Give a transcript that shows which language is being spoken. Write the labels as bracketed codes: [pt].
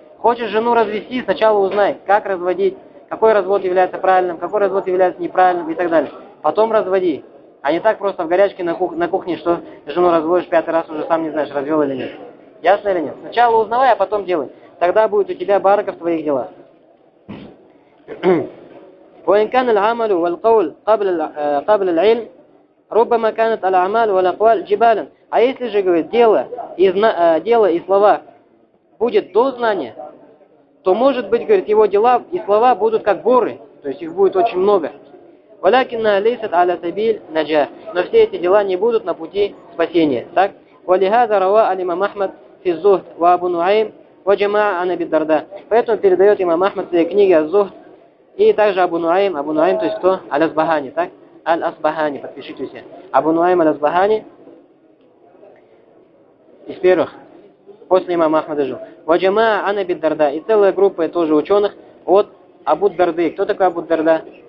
[ru] Хочешь жену развести, сначала узнай, как разводить, какой развод является правильным, какой развод является неправильным и так далее. Потом разводи, а не так просто в горячке на кухне, что жену разводишь 5-й раз, уже сам не знаешь, развел или нет. Ясно или нет? Сначала узнавай, а потом делай. Тогда будет у тебя барака в твоих делах. [ar] وإن كان العمل والقول قبل العلم ربما كانت الأعمال والأقوال جبالا. [ru] А если же, говорит, дело и слова будет до знания, то может быть, говорит, его дела и слова будут как горы, то есть их будет очень много. [ar] ولكن ليست على سبيل نجاح. [ru] Но все эти дела не будут на пути спасения. Так. [ar] ولهذا روى الإمام أحمد في الزهد وأبو نعيم وجماعة عن أبي الدرداء. [ru] Поэтому передает имам Ахмад в своей книге «Зухд». И также Абу Нуайм, то есть кто? Аль-Асбахани, так? Аль-Асбахани, подпишите все. Абу Нуайм Аль-Асбахани. Из первых, после имама Ахмада жил. [ar] Ваджамаа ан Аби ад-Дарда. [ru] И целая группа тоже ученых от Абу ад-Дарды. Кто такой Абу ад-Дарда?